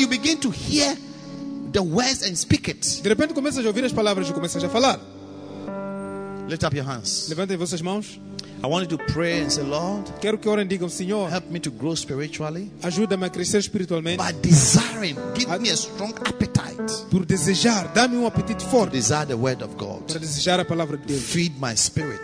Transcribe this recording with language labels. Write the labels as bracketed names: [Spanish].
[English] you begin to hear the words and speak it. [Portuguese] De repente começas a ouvir as palavras e começas a falar. [English] Lift up your hands. [Portuguese] Levantem vossas mãos. [English] I want you to pray and say, Lord, [Portuguese] quero que orem e digam, Senhor, [English] help me to grow spiritually. [Portuguese] Ajuda-me a crescer espiritualmente. [English] By desiring, give me a strong appetite. [Portuguese] Por desejar, dá-me apetite forte. [English] Desire the word of God. [Portuguese] Para desejar a palavra de Deus. [English] Feed my spirit.